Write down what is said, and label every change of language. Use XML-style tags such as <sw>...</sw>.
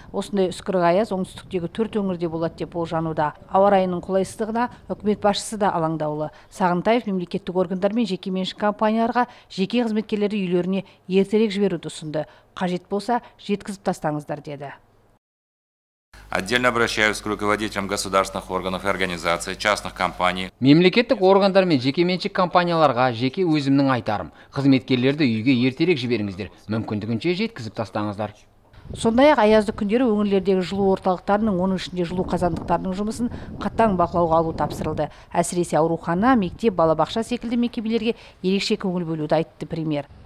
<kk>Осындай үскірік аяз оңтүстіктегі 4 өңірде болады деп болжануда. Ауа райының қолайсыздығына үкімет басшысы да алаңдаулы. Сағынтаев мемлекеттік органдар мен жекеменшік компанияларға жеке қызметкерлерді үйлеріне ертерек жіберуді ұсынды. Қажет болса жеткізіп тастаңыздар, деді.</kk> <ru>Отдельно обращаюсь к руководителям государственных органов и организаций, частных компаний.</ru> <kk>Мемлекеттік органдар мен жекеменшік компанияларға жеке өзімнің айтарым. Қызметкерлерді үйге ертерек жіберіңіздер, мүмкіндігінше жеткізіп тастаңыздар. Сондай-ақ аязды күндері өңірлердегі жылу орталықтарының, оның ішінде жылу қазандықтарының жұмысын қатаң бақылауға алу тапсырылды. Әсіресе аурухана, мектеп, балабақша секілді мекемелерге ерекше көңіл бөлуді айтты премьер.</kk>